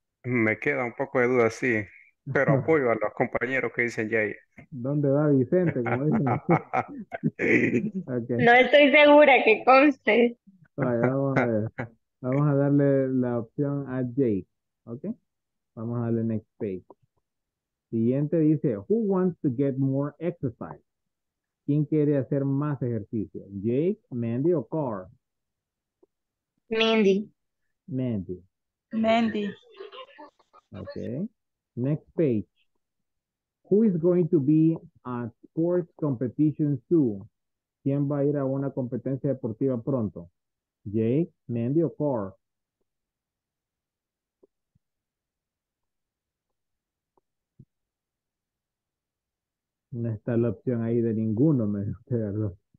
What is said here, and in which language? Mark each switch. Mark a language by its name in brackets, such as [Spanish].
[Spanish] Me queda un poco de duda, sí. Pero apoyo a los compañeros que dicen Jake. ¿Dónde va Vicente? Como dicen. Okay. No estoy segura que conste. Vale, vamos a darle la opción a Jake, ¿ok? Vamos a darle [English] next page. [Spanish] Siguiente dice, [English] who wants to get more exercise? [Spanish] ¿Quién quiere hacer más ejercicio? ¿Jake, Mandy o Carr? Mandy. Mandy. Mandy. [English] Ok. Next page. Who is going to be a sports competition soon? [Spanish] ¿Quién va a ir a una competencia deportiva pronto? Jake, Mandy o Carr? No está la opción ahí de ninguno, me acuerdo.